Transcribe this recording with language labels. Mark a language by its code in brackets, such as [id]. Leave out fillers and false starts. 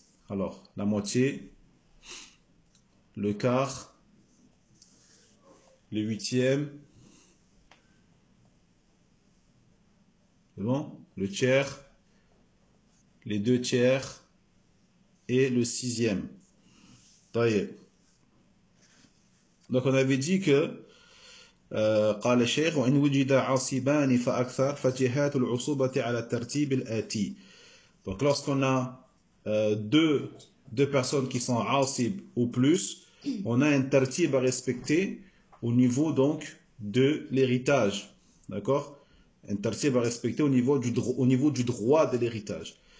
[fr] Alors, la moitié, le quart, le huitième. C'est bon? Le tiers, les deux tiers et le sixième. D'ailleurs. Donc on avait dit que [ar] قال الشيخ وإن وجد عصبان فأكثر فجهات العصبة على الترتيب الآتي. [fr] Donc lorsqu'on a deux personnes qui sont عصب ou plus, on a un tertib à respecter au niveau donc de l'héritage. D'accord? Un tertib à respecter au niveau du droit de l'héritage.